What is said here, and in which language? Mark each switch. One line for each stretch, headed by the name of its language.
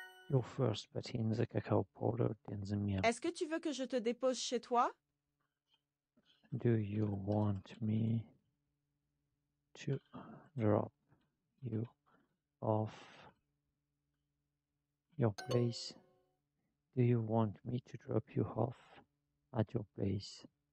English: You first put in the cacao powder, then the milk.
French: Est-ce que tu veux que je te dépose chez toi?
English: Do you want me to drop you off your place? Do you want me to drop you off at your place?